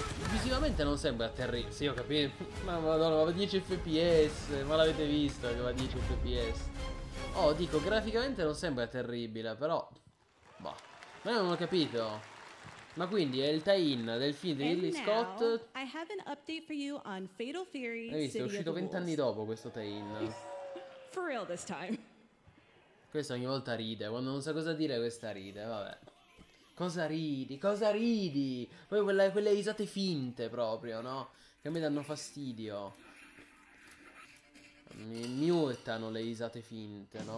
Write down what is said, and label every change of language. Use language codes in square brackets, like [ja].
[it] Visivamente non sembra terribile, sì, ho capito. Ma madonna, va a 10 fps, ma l'avete visto che va a 10 fps. Oh, dico, graficamente non sembra terribile, però... Boh, ma io non ho capito. Ma quindi è il tie-in del film di Ridley Scott. [en] I have an update for you on Fatal Fury. [it] Hai visto, è uscito 20 anni dopo questo tie-in. [en] For real this time. [it] Questa ogni volta ride, quando non sa cosa dire questa ride, vabbè. Cosa ridi? Cosa ridi? Poi quelle risate finte proprio, no? Che mi danno fastidio. Mi urtano le risate finte, no?